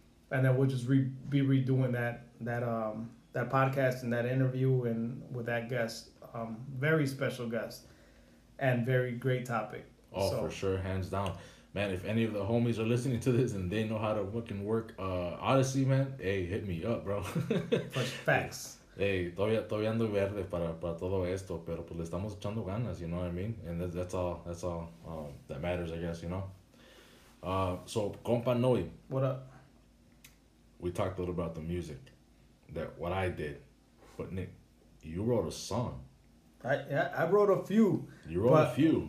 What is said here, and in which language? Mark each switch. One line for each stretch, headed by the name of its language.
English: And then we'll just be redoing that podcast and that interview and with that guest. Very special guest and very great topic. Oh, so, for sure. Hands down. Man, if any of the homies are listening to this and they know how to fucking work Odyssey, man, hey, hit me up, bro. First facts.
Spanish: Hey, todavía ando verde para todo esto, pero pues le estamos echando ganas,
English: you know what I mean? And that's all that matters, I guess, you know? So, compa Noy. What up? We talked a little about the music, what I did. But Nick, you wrote a song. I wrote a few. You wrote a few.